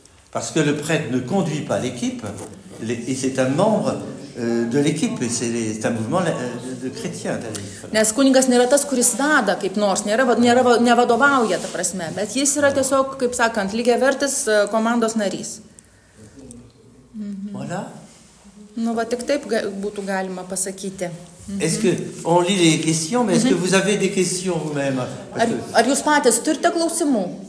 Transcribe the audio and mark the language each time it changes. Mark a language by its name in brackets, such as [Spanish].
[French] Parce que le prêtre ne conduit pas l'équipe, et c'est un membre de l'équipe, c'est un mouvement de chrétien. [Lithuanian] Nes kunigas nėra tas, kuris veda, kaip nors, nevadovauja, bet jis yra tiesiog, kaip sakant, lygiavertis komandos narys. [French] Mm-hmm. Voilà. [Lithuanian] Tik taip būtų galima pasakyti. Mm-hmm. [French] Est-ce que on lit les questions, mais est-ce que vous avez des questions vous-même? [Lithuanian] Ar jūs patys turite klausimų?